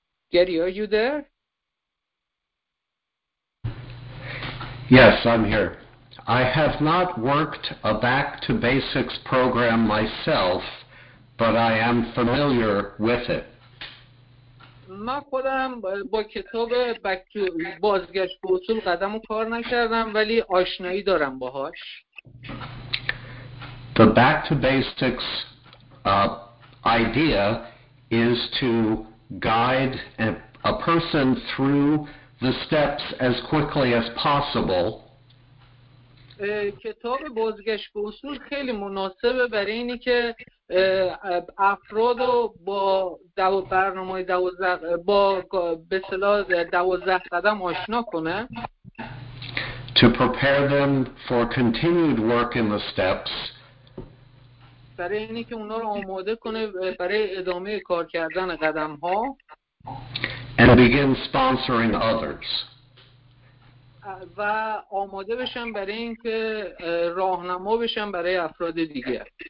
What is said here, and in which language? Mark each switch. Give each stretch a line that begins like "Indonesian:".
English: Gary, are you there? Yes, I'm here. I have not worked a Back to Basics program myself, but I am familiar with it.
Persian: ما خودم با کتاب بازگشت به اصول قدم و کار نکردم، ولی آشنایی دارم باهاش.
English: The Back to Basics idea is to guide a person through the steps as quickly as possible.
Persian: کتاب بازگشت به اصول خیلی مناسبه برای اینی که افراد رو با برنامه دوازده قدم آشنا کنه.
English: To prepare them for continued work in the steps.
Persian: برای اینی که اونا رو آماده کنه برای ادامه کار کردن قدم ها.
English: And begin sponsoring others.
Persian: و آماده بشن برای اینکه راهنما بشن برای افراد دیگر.